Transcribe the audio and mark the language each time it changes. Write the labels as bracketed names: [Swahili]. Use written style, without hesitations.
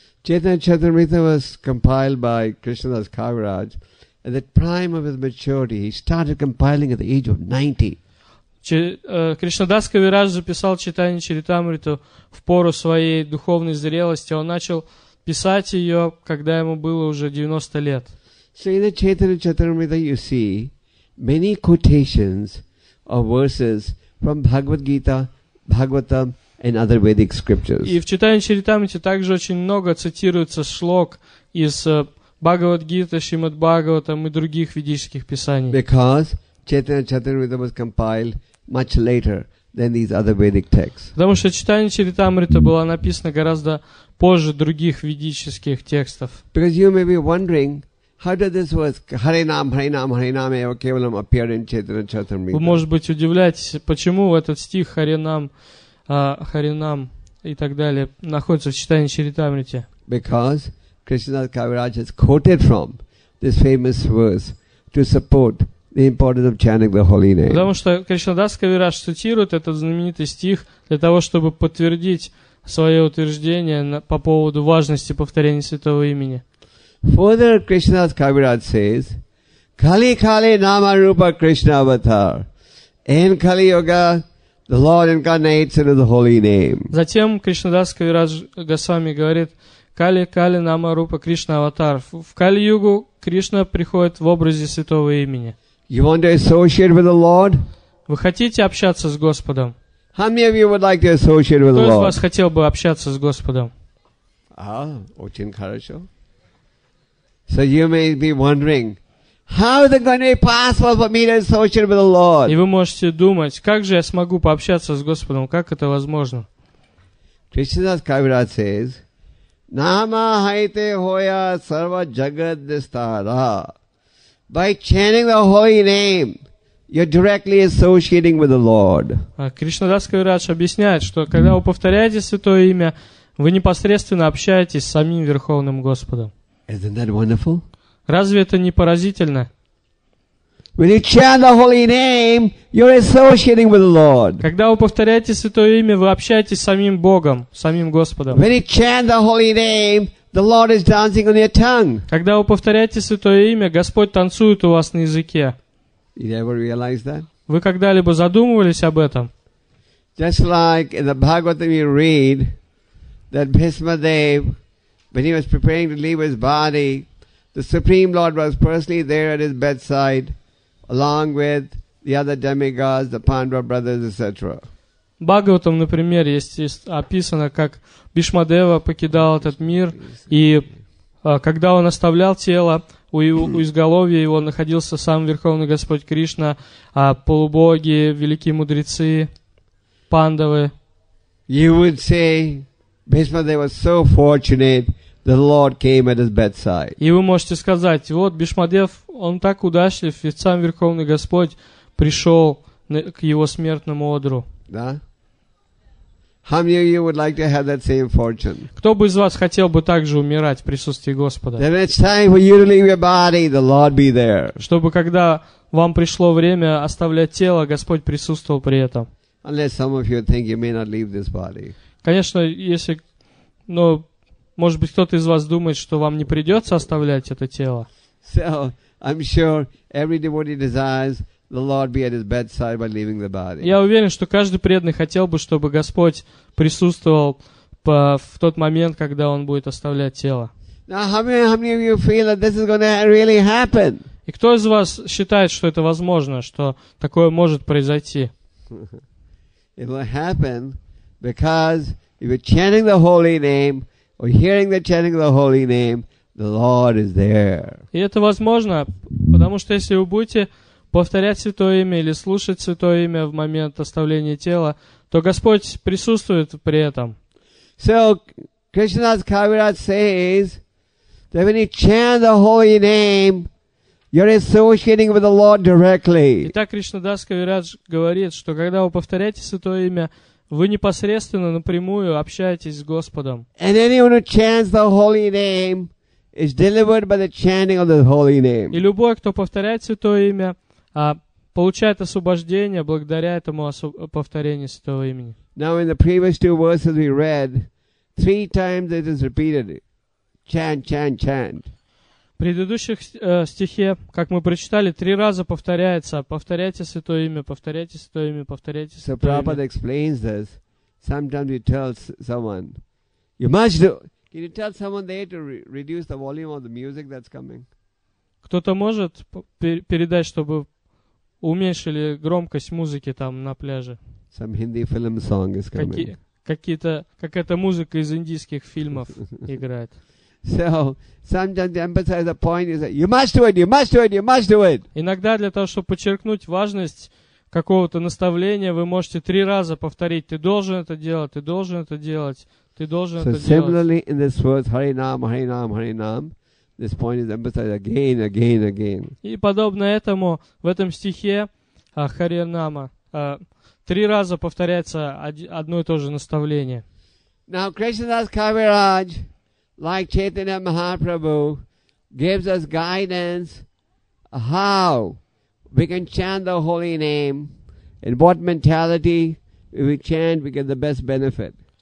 [English] Chaitanya Charitamrita was compiled by Krishnadas Kaviraj at the prime of his maturity. He started compiling at the age of 90. [Russian] Кришнадас Кавирадж записал Чайтанья Чаритамриту в пору своей духовной зрелости. Он начал писать ее, когда ему было уже 90 лет. [English] So in the Chaitanya Charitamrita you see many quotations of verses from Bhagavad Gita, Bhagavatam, and other Vedic scriptures. [Russian] И в Чайтанья Чаритамрите также очень много цитируется шлок из Бхагавад Гиты, Шримад Бхагаватам и других ведических писаний. [English] Because Chaitanya Charitamrita was compiled much later than these other Vedic texts. [Russian] Потому что Чайтанья Чаритамрита была написана гораздо позже других ведических текстов. [English] Because you may be wondering, how did this verse [Sanskrit] Hare Nam Hare Nam Hare Nam Eva Kevalam [English] appear in Chaitanya Charitamrita? [Russian] Вы может быть удивляетесь, почему этот стих [Sanskrit] Hare Nam Hare Nam [Russian] и так далее находится в Чайтанья Чаритамрите? [English] Because Krishnadas Kaviraj has quoted from this famous verse to support the importance of chanting the holy name. [Russian] Потому что Кришнадас Кавирадж цитирует этот знаменитый стих для того, чтобы подтвердить свое утверждение по поводу важности повторения святого имени. [English] Further, Krishnadas Kaviraj says, [Bangla] Kali Kali Nama Rupa Krishna Avatar. [English] In Kali Yoga, the Lord incarnates in His holy name. [Russian] Затем Кришнадас Кавирадж Госвами говорит, [Bangla] Kali Kali Nama Rupa Krishna Avatar. [Russian] В Кали-югу Кришна приходит в образе святого имени. [English] You want to associate with the Lord? [Russian] Вы хотите общаться с Господом? [English] How many of you would like to associate with the Lord? [Russian] Кто из вас хотел бы общаться с Господом? Очень хорошо. [English] So you may be wondering, how is it going to be possible for me to associate with the Lord? [Russian] И вы можете думать, как же я смогу пообщаться с Господом? Как это возможно? [English] Krishnadas Kaviraj says, [Bangla] Nama haite hoya sarva jagat nistara. [English] By chanting the holy name, you're directly associating with the Lord. [Russian] Кришнадас Кавирадж объясняет, что когда вы повторяете святое имя, вы непосредственно общаетесь с самим Верховным Господом. [English] Isn't that wonderful? [Russian] Разве это не поразительно? [English] When you chant the holy name, you're associating with the Lord. [Russian] Когда вы повторяете святое имя, вы общаетесь с самим Богом, самим Господом. [English] When you chant the holy name, the Lord is dancing on your tongue. [Russian] Когда вы повторяете святое имя, Господь танцует у вас на языке. [English] You ever realize that? [Russian] Вы когда-либо задумывались об этом? [English] Just like in the Bhagavatam you read that Bhishma Dev, when he was preparing to leave his body, the Supreme Lord was personally there at his bedside, along with the other demigods, the Pandava brothers, etc. [Russian] Бхагаватам, например, есть описано, как Бишмадева покидал этот мир, и когда он оставлял тело, у изголовья его находился сам Верховный Господь Кришна, а полубоги, великие мудрецы, Пандавы. [English] You would say, Бишмадева was so fortunate that the Lord came at his bedside. [Russian] И вы можете сказать, вот Бишмадев, он так удачлив, ведь сам Верховный Господь пришел к его смертному одру. Да? [English] How many of you would like to have that same fortune? [Russian] Кто бы из вас хотел бы также умирать в присутствии Господа? [English] Then it's time for you to leave your body, the Lord be there. [Russian] Чтобы когда вам пришло время оставлять тело, Господь присутствовал при этом. [English] Unless some of you think you may not leave this body. [Russian] Конечно, если, но может быть кто-то из вас думает, что вам не придется оставлять это тело. [English] So I'm sure every devotee desires the Lord be at his bedside by leaving the body. [Russian] Я уверен, что каждый преданный хотел бы, чтобы Господь присутствовал в тот момент, когда он будет оставлять тело. [English] Now, how many of you feel that this is going to really happen? [Russian] И кто из вас считает, что это возможно, что такое может произойти? [English] It will happen because if you're chanting the holy name or hearing the chanting of the holy name, the Lord is there. [Russian] И это возможно, потому что если вы будете повторять святое имя или слушать святое имя в момент оставления тела, то Господь присутствует при этом. [English] So, Krishnadas Kaviraj says that when you chant the holy name, you're associating with the Lord directly. [Russian] Итак, Кришнадас Кавирадж говорит, что когда вы повторяете святое имя, вы непосредственно напрямую общаетесь с Господом. [English] And anyone who chants the holy name is delivered by the chanting of the holy name. [Russian] И любой, кто повторяет святое имя, получает освобождение благодаря этому повторению святого имени. [English] Now in the previous two verses we read, three times it is repeated. Chant, chant, chant. [Russian] В предыдущих стихе, как мы прочитали, три раза повторяется: повторяйте святое имя, повторяйте святое имя, повторяйте святое имя. [English] So Prabhupada explains this. Sometimes you tell someone, you must do. Can you tell someone there to reduce the volume of the music that's coming? [Russian] Кто-то может передать, чтобы уменьшили громкость музыки там на пляже? [English] Some Hindi film song is coming. [Russian] Какая-то музыка из индийских фильмов играет. [English] So sometimes to emphasize the point is that you must do it, you must do it, you must do it. [Russian] Иногда для того, чтобы подчеркнуть важность какого-то наставления, вы можете три раза повторить: ты должен это делать, ты должен это делать, ты должен это делать. [English] So similarly in this verse, [Sanskrit] Hari Nam, Hari Nam, Hari Nam, [English] this point is emphasized again, again, again. [Russian] И подобно этому в этом стихе Хари Нама три раза повторяется одно и то же наставление. [English] Now Krishnadas Kaviraj, like Chaitanya Mahaprabhu, gives us guidance how we can chant the holy name and what mentality we chant, we get the best benefit.